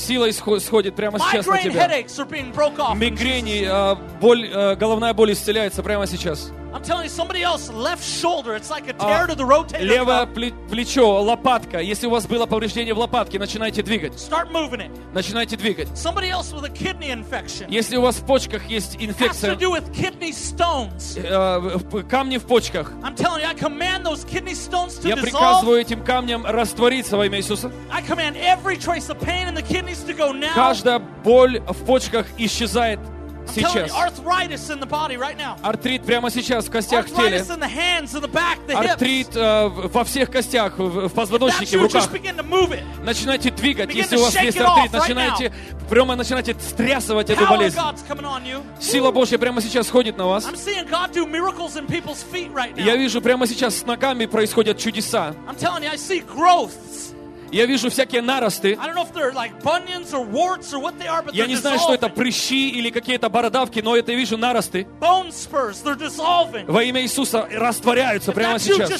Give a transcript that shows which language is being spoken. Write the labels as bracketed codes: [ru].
[ru] Сила исходит прямо сейчас на тебя. Мигрени, головная боль исцеляется прямо сейчас. [en] I'm telling you, somebody else, left shoulder, it's like a tear to the rotator. [ru] Левое плечо, лопатка. Если у вас было повреждение в лопатке, начинайте двигать. [en] Start moving it. [ru] Начинайте двигать. [en] Somebody else with a kidney infection. [ru] Если у вас в почках есть инфекция. [en] Has to do with kidney stones. [ru] Камни в почках. [en] I'm telling you, I command those kidney stones to dissolve. [ru] Я приказываю этим камням раствориться во имя Иисуса. [en] I command every trace of pain in the kidneys to go now. [ru] Каждая боль в почках исчезает. Сейчас. [en] I'm telling you, arthritis in the body right now. [ru] Артрит прямо сейчас в костях, в теле. [en] Arthritis in the hands, in the back, the hips. [ru] Артрит во всех костях, в позвоночнике, в руках. [en] Just begin to move it. [ru] Начинайте двигать, если у вас есть артрит. Начинайте прямо начинайте стрясывать эту болезнь. [en] Power of God's coming on you. [ru] Сила Божья прямо сейчас сходит на вас. [en] I'm seeing God do miracles in people's feet right now. [ru] Я вижу прямо сейчас с ногами происходят чудеса. [en] I'm telling you, I see growths. [ru] Я вижу всякие наросты. Я не знаю, что это прыщи или какие-то бородавки, но это я вижу наросты. Во имя Иисуса растворяются прямо сейчас.